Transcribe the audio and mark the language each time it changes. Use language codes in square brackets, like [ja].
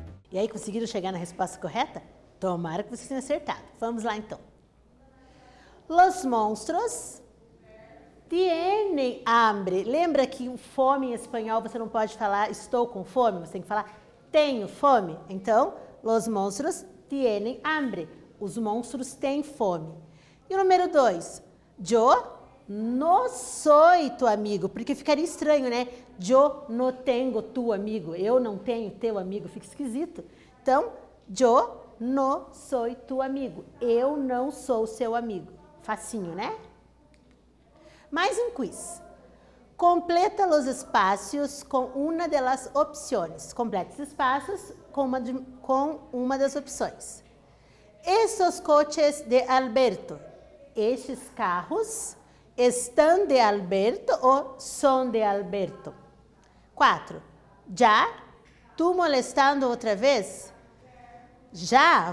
[pt] E aí, conseguiram chegar na resposta correta? Tomara que vocês tenham acertado. Vamos lá, então. [es] Los monstruos tienen hambre. [pt] Lembra que fome em espanhol você não pode falar estou com fome, você tem que falar tenho fome. Então, [es] los monstruos tienen hambre. [pt] Os monstros têm fome. E o número 2. [es] Yo no soy tu amigo. [pt] Porque ficaria estranho, né? [es] Yo no tengo tu amigo. [pt] Eu não tenho teu amigo. Fica esquisito. [es] Então, yo no soy tu amigo. [pt] Eu não sou seu amigo. Facinho, né? Mais um quiz. [es] Completa los espacios com una de las opciones. [pt] Completa os espaços com uma das opções. [es] Esos coches de Alberto. [pt] Estes carros estão de Alberto ou são de Alberto? 4. Já? Tu molestando outra vez? Já?